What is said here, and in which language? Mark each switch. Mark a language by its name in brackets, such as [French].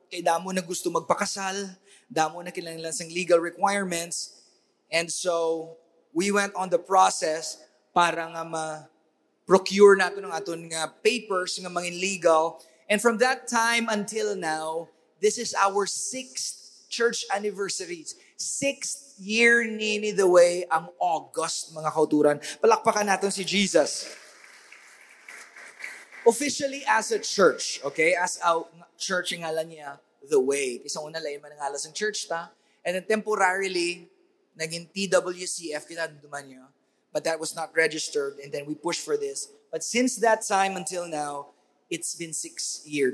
[Hiligaynon] Kay damo na gusto magpakasal, damo na kailangan sang legal requirements. [English] And so we went on the process [Hiligaynon] para nga ma-procure nato ng aton nga papers, nga mga legal. [English] And from that time until now, this is our 6th church anniversary. [Hiligaynon] 6th year nini The Way ang August, mga kauturan. [Filipino] Palakpakan natin si Jesus. [English] Officially as a church, okay? As a church, [Hiligaynon] yung ngalan niya, The Way. Isang una lang, yung ngalan sa church ta. [English] And then temporarily, naging TWCF, [Hiligaynon] kinaduman niyo. [English] But that was not registered. And then we pushed for this. But since that time until now, it's been 6 years.